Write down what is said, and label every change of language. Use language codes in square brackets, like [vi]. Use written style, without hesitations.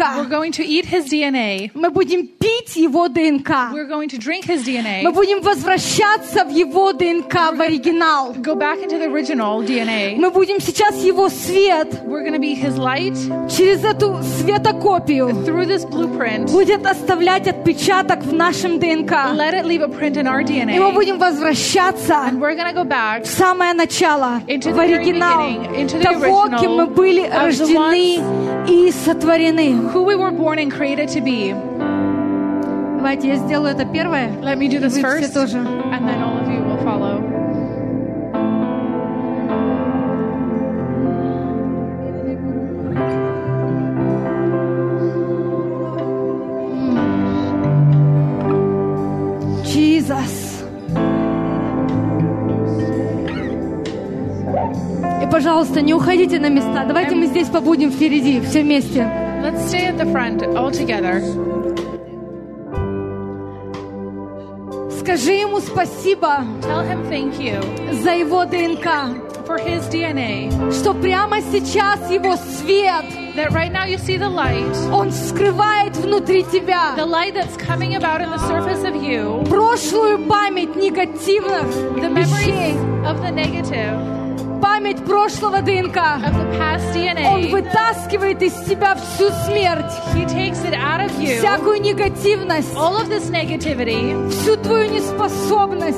[en] We're going to eat his DNA. [ru] Мы будем пить его ДНК. [en] We're going to drink his DNA. [ru] Мы будем возвращаться в его ДНК, в оригинал. [en] Go back into the original DNA. [ru] Мы будем сейчас его свет. [en] We're going to be his light. [ru] Через эту светокопию. [en] Through this blueprint. [ru] Будет оставлять отпечаток в нашем ДНК. [en] Let it leave a print in our DNA. [ru] И мы будем возвращаться. [en] And we're going to go back. [ru] В самое начало. [en] Into [ru] в оригинал. [en] Into the original. [ru] Того, кем мы были рождены. И сотворены. [en] Who we were born and created to be. [ru] Давайте я сделаю это первое. [en] Let me do this first. [ru] Все тоже. [en] And then all of you will follow. Jesus. [ru] Пожалуйста, не уходите на места. Давайте мы здесь побудем впереди, все вместе. [en] Let's stay at the front, all together. [ru] Скажи ему спасибо. [en] Tell him thank you. [ru] За его ДНК. [en] For his DNA. [ru] Что прямо сейчас его свет. [en] That right now you see the light. [ru] Он скрывает внутри тебя. [en] The light that's coming about in the surface of you. [ru] Прошлую память негативных вещей. [en] The memories of the negative. [ru] Память прошлого ДНК. [en] Of the past DNA. [ru] Он вытаскивает из себя всю смерть. [en] He takes it out of you. [ru] Всякую негативность. [en] All of this negativity. [ru] Всю твою неспособность.